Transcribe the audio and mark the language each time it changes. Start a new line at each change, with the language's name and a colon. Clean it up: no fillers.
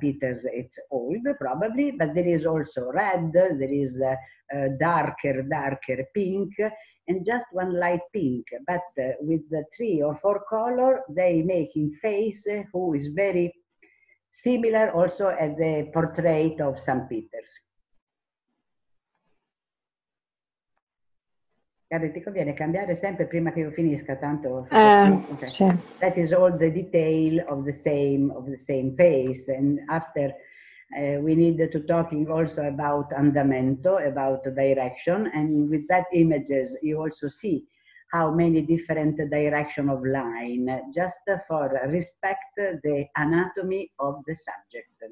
English: Peter's it's old probably, but there is also red, there is a darker pink, and just one light pink. But with the three or four color, they make in face who is very similar also at the portrait of St. Peter's.
Italian: Ti conviene cambiare sempre prima che io finisca, tanto
English: okay. Sure. That is all the detail of the same pace. And after we need to talk also about andamento, about direction, and with that images you also see how many different direction of line, just for respect the anatomy of the subject.